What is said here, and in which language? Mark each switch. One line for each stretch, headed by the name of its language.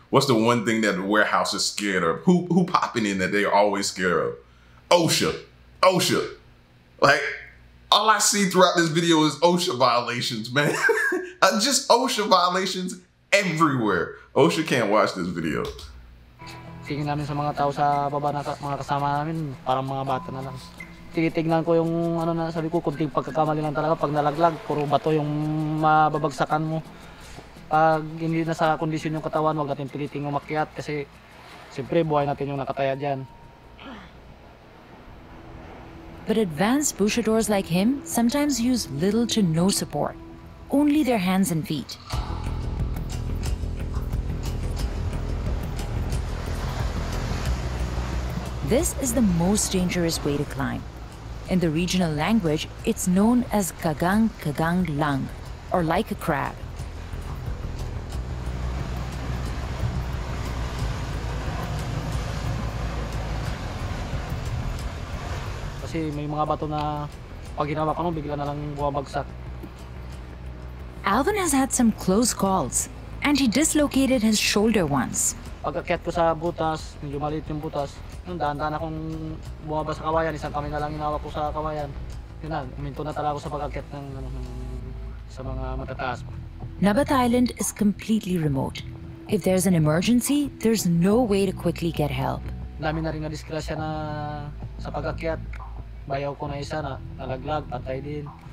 English: What's the one thing that the warehouse is scared of? Who popping in that they're always scared of? OSHA. OSHA. Like, all I see throughout this video is OSHA violations, man. Just OSHA violations everywhere. OSHA can't watch this video.
Filipino: Tingin namin sa mga tao sa baba na mga kasama namin, parang mga bata na lang. Tinitignan ko yung ano na sabi ko, kunting pagkakamali lang talaga pag nalaglag, puro bato yung mababagsakan mo. Pag hindi na sa kondisyon yung katawan, huwag natin piliting umakyat kasi siyempre buhay natin yung nakataya dyan.
English: But advanced buchadors like him sometimes use little to no support, only their hands and feet. This is the most dangerous way to climb. In the regional language, it's known as kagang kagang lang, or like a crab.
Filipino: Kasi may mga bato na pag hinawakan mo bigla na lang bumabagsak.
English: Alvin has had some close calls, and he dislocated his shoulder once.
Filipino: Pag-akyat ko sa butas, medyo maliit yung butas. Nung daan-daan akong bumaba sa kawayan, isang kamay na lang inawa ko sa kawayan. Yun na, uminto na talaga ako sa pag-akyat sa mga matataas.
English: Nabat Island is completely remote, If there's an emergency, there's no way to quickly get help.
Filipino: Dami na rin na disgrasya na sa pag-akyat. Bayaw ko na isa na nalaglag, patay din.